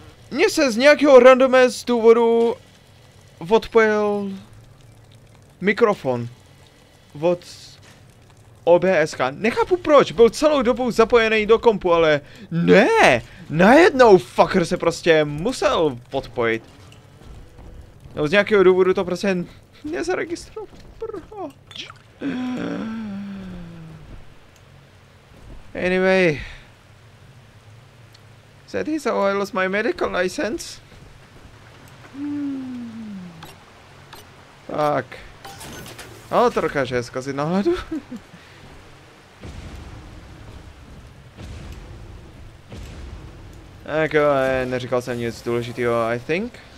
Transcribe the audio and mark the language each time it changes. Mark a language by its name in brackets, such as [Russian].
[Czech] Mně se z nějakého randomé z důvodu odpojil mikrofon od OBSka. Nechápu proč, byl celou dobu zapojený do kompu, ale ne! Najednou fucker se prostě musel odpojit. No z nějakého důvodu to prostě nezaregistroval. Proč? [English] Anyway, that is how I lost my medical license. [Czech] Tak. Ale to dokáže zkazit náhledu. Tak jo, neříkal jsem nic důležitého, [English] I think.